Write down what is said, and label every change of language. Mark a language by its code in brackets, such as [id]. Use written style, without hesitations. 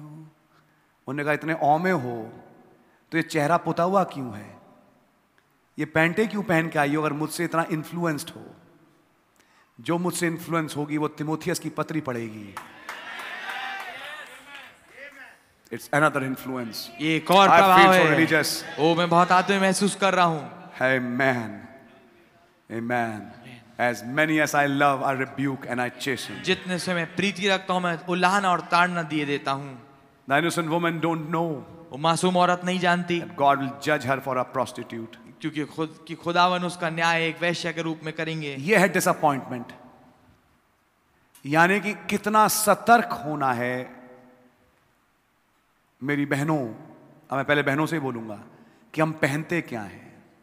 [hi] उन्होंने कहा इतने ओ में हो तो ये चेहरा पुता हुआ क्यों है, ये पैंटे क्यों पहन के आई हो, अगर मुझसे इतना इन्फ्लुएंस्ड हो। जो मुझसे इन्फ्लुएंस होगी वो तिमोथियस की पत्री पड़ेगी। [en] It's another influence. [hi] ये एक और प्रभाव है। रिलीजियस। ओ मैं बहुत आत्मीय महसूस कर रहा हूं। आमेन। आमेन। [en] As many as I love, I rebuke and I chasten. [hi] जितने से मैं प्रीति रखता हूं मैं उल्लाहना और ताड़ना दिए देता हूं। [en] The innocent woman don't know. [hi] वो मासूम औरत नहीं जानती। [en] God will judge her for a prostitute. [hi] क्योंकि खुद की खुदावन उसका न्याय एक वेश्या के रूप में करेंगे। यह है डिसअपॉइंटमेंट, यानी कि कितना सतर्क होना है मेरी बहनों। अब मैं पहले बहनों से ही बोलूंगा कि हम पहनते क्या हैं।